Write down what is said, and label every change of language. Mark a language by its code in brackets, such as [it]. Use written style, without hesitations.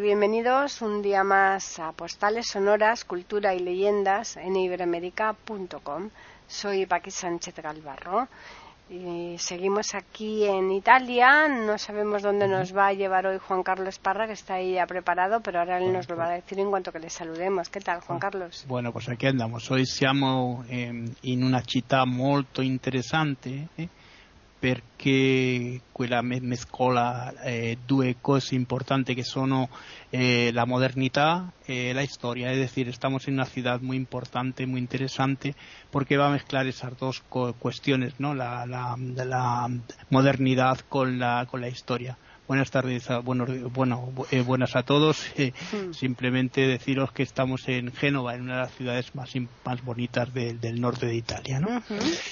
[es] Bienvenidos un día más a Postales Sonoras, Cultura y Leyendas en iberoamerica.com. Soy Paqui Sánchez Galvarro y seguimos aquí en Italia. No sabemos dónde nos va a llevar hoy Juan Carlos Parra, que está ahí ya preparado, pero ahora él nos lo va a decir en cuanto que le saludemos. ¿Qué tal, Juan Carlos? Bueno, pues aquí andamos. Hoy [it] siamo in una città molto interessante, perché quella mescola due cose importanti che sono la modernità e la storia. [es] Es decir, estamos en una ciudad muy importante, muy interesante, porque va a mezclar esas dos cuestiones, ¿no? La modernidad con la historia. Buenas tardes, buenas a todos. Simplemente deciros que estamos en Génova, en una de las ciudades más bonitas del norte de Italia, ¿no? Uh-huh.